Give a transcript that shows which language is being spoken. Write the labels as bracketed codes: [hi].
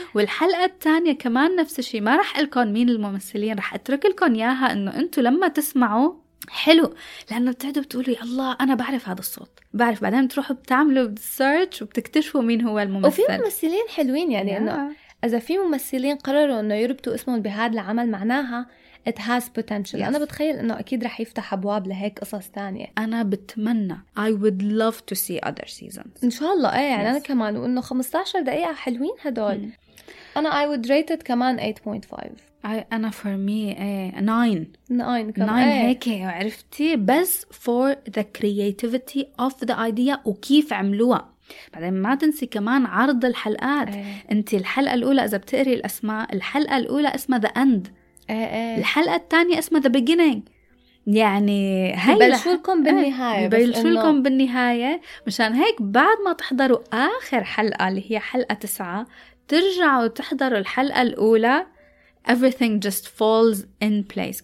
[ar] والحلقه الثانيه كمان نفس الشيء ما راح اقول لكم مين الممثلين راح اترك لكم اياها انه انتم لما تسمعوا حلو لانه بتعدوا بتقولوا يا الله انا بعرف هذا الصوت بعرف. بعدين بتروحوا بتعملوا سيرش وبتكتشفوا مين هو الممثل. وفي ممثلين حلوين يعني yeah. انه اذا في ممثلين قرروا انه يربطوا اسمهم بهذا العمل معناها [en] it has potential. [ar] yes. انا بتخيل انه اكيد رح يفتح ابواب لهيك قصص تانية. انا بتمنى [en] I would love to see other seasons [ar] ان شاء الله. ايه يعني yes. انا كمان وانه 15 دقيقة حلوين هدول. [en] انا I would rate it كمان 8.5. أنا for me 9 [ar] ايه. هيك عرفتي بس [en] for the creativity of the idea [ar] وكيف عملوها. بعدين ما تنسي كمان عرض الحلقات ايه. انت الحلقة الأولى إذا بتقري الأسماء الحلقة الأولى اسمها the end ايه ايه. الحلقة الثانية اسمها the beginning يعني هاي بيلشولكم بالنهاية ايه. بيلشولكم إنه... بالنهاية مشان هيك بعد ما تحضروا آخر حلقة اللي هي حلقة 9 ترجعوا تحضروا الحلقة الأولى [en] everything just falls in place.